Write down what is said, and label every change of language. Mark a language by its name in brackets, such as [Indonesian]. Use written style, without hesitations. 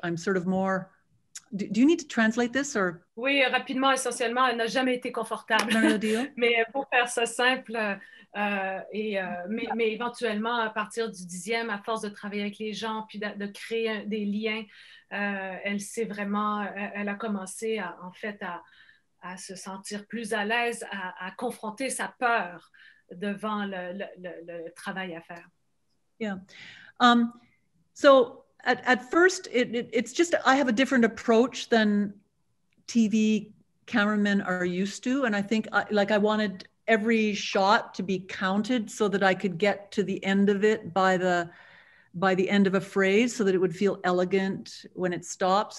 [English] I'm sort of more, do you need to translate this or? [French] Oui, rapidement, essentiellement, elle n'a jamais été confortable. Marie-Odile? Mais pour faire ça simple, mais éventuellement à partir du dixième, à force de travailler avec les gens puis de créer des liens, elle s'est vraiment, elle a commencé à, en fait à se sentir plus à l'aise, à confronter sa peur devant le travail à faire. [English] Yeah. So at first it's just I have a different approach than TV cameramen are used to, and I think I wanted every shot to be counted so that I could get to the end of it by the end of a phrase so that it would feel elegant when it stops.